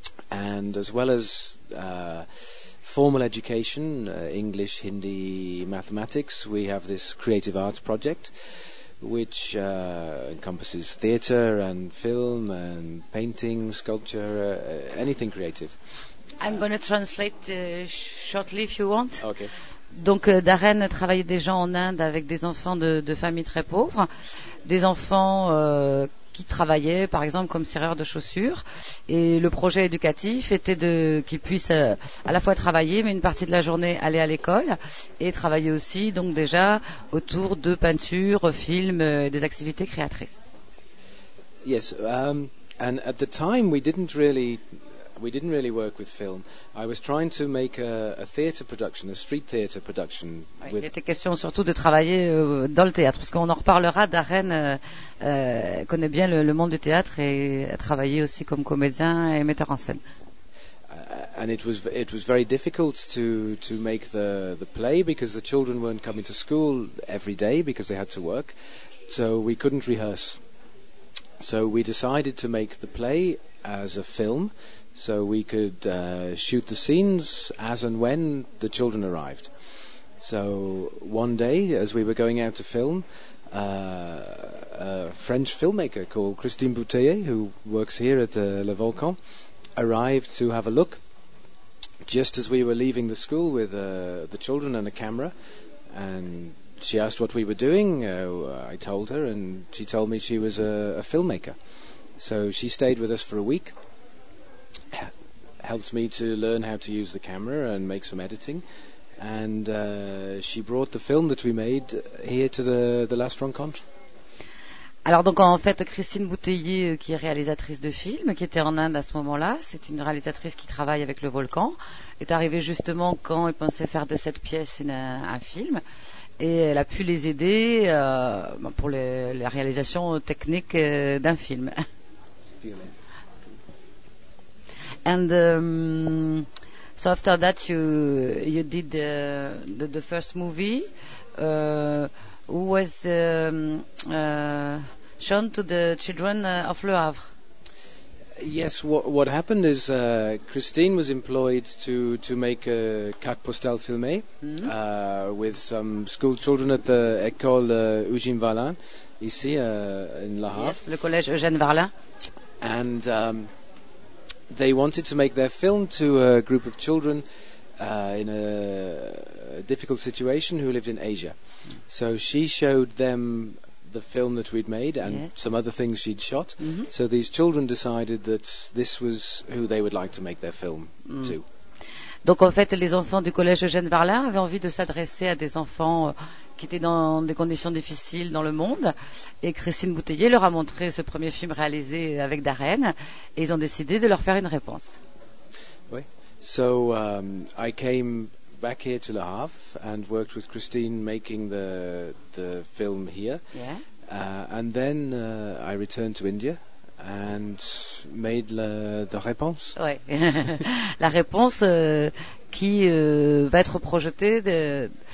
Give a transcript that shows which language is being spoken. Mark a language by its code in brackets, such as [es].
[en] And as well as formal education, English, Hindi, mathematics, we have this creative arts project which encompasses theatre and film and painting, sculpture, anything creative. I'm going to translate shortly if you want. Okay. [fr] Donc Darren travaillait déjà en Inde avec des enfants de familles très pauvres, des enfants qui travaillaient par exemple comme serreurs de chaussures, et le projet éducatif était de qu'ils puissent à la fois travailler mais une partie de la journée aller à l'école et travailler aussi donc déjà autour de peinture, films, des activités créatrices. [en] Yes, and at the time we didn't really work with film. I was trying to make a theatre production, a street theatre production. [fr] Oui, il était question surtout de travailler dans le théâtre, parce qu'on en reparlera. Darren connaît bien le monde du théâtre et a travaillé aussi comme comédien et metteur en scène. [en] And it was very difficult to make the play because the children weren't coming to school every day because they had to work, so we couldn't rehearse. So we decided to make the play as a film. So we could shoot the scenes as and when the children arrived. So one day, as we were going out to film, a French filmmaker called Christine Bouteiller, who works here at Le Volcan, arrived to have a look just as we were leaving the school with the children and a camera. And she asked what we were doing. I told her, and she told me she was a filmmaker. So she stayed with us for a week. Helped me to learn how to use the camera and make some editing, and she brought the film that we made here to the last rencontre. [fr] Alors donc en fait Christine Bouteiller qui est réalisatrice de films, qui était en Inde à ce moment-là, c'est une réalisatrice qui travaille avec Le Volcan, est arrivée justement quand elle pensait faire de cette pièce un film, et elle a pu les aider pour la réalisation technique d'un film. [en] And so after that, you did the first movie. Was shown to the children of Le Havre. Yes. What happened is Christine was employed to make a [fr] carte postale filmée [en] with some school children at the école Eugène Varlin, ici in Le Havre. [fr] Yes, le collège Eugène Varlin. [en] And they wanted to make their film to a group of children in a difficult situation who lived in Asia. So she showed them the film that we'd made and yes. some other things she'd shot. Mm-hmm. So these children decided that this was who they would like to make their film to. [fr] Donc en fait, les enfants du collège Eugène Varlin avaient envie de s'adresser à des enfants qui étaient dans des conditions difficiles dans le monde. Et Christine Bouteiller leur a montré ce premier film réalisé avec Darren. Et ils ont décidé de leur faire une réponse. Oui. [en] So, I came back here to Le Havre and worked with Christine making the film here. Yeah. And then I returned to India and made the réponse. [fr] Oui. La réponse qui va être projetée